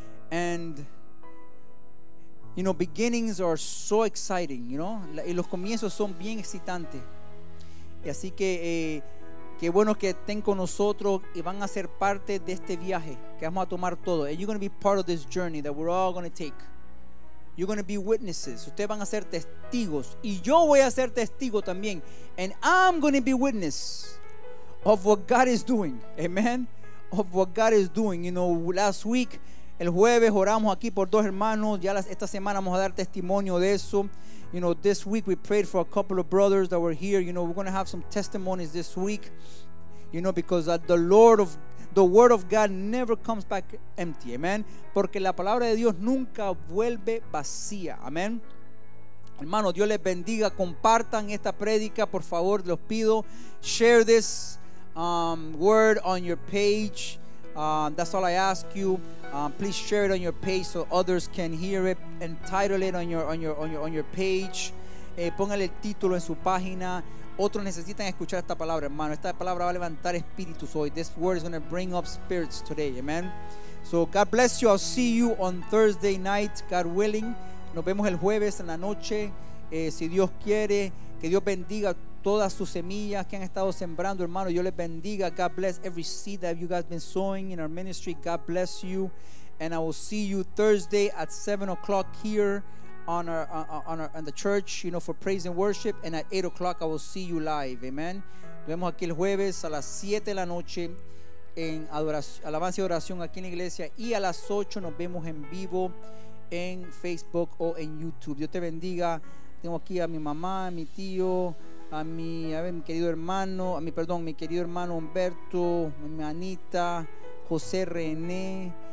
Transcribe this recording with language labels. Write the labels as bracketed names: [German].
[English] And you know, beginnings are so exciting, you know. [Spanish] Y los comienzos son bien excitantes. Y así que qué bueno que estén con nosotros y van a ser parte de este viaje que vamos a tomar todo. [English] And you're going to be part of this journey that we're all going to take. You're going to be witnesses. [Spanish] Ustedes van a ser testigos. Y yo voy a ser testigo también. [English] And I'm going to be witness of what God is doing. Amen. Of what God is doing. You know, last week, [Spanish] el jueves, oramos aquí por dos hermanos. Ya esta semana vamos a dar testimonio de eso. [English] You know, this week we prayed for a couple of brothers that were here. You know, we're going to have some testimonies this week. You know, because the word of God never comes back empty. Amen. [Spanish] Porque la palabra de Dios nunca vuelve vacía. Amen. Hermanos, Dios les bendiga. Compartan esta prédica, por favor, los pido. [English] Share this word on your page. That's all I ask you. Please share it on your page so others can hear it. Entitle it on your page. [Spanish] Póngale el título en su página. Otros necesitan escuchar esta palabra, hermano. Esta palabra va a levantar espíritus hoy. [English] This word is going to bring up spirits today. Amen. So God bless you. I'll see you on Thursday night, God willing. [Spanish] Nos vemos el jueves en la noche, si Dios quiere. Que Dios bendiga todas sus semillas que han estado sembrando, hermano. Dios les bendiga. [English] God bless every seed that you guys have been sowing in our ministry. God bless you. And I will see you Thursday at 7 o'clock here on the church, you know, for praise and worship. And at 8 o'clock, I will see you live. Amen. [Spanish] Nos vemos aquí el jueves a las 7 de la noche en adoración, alabanza y oración aquí en la iglesia, y a las 8 nos vemos en vivo en Facebook o en YouTube. Dios te bendiga. Tengo aquí a mi mamá, a mi tío, a mi querido hermano Humberto, a mi Anita, José René.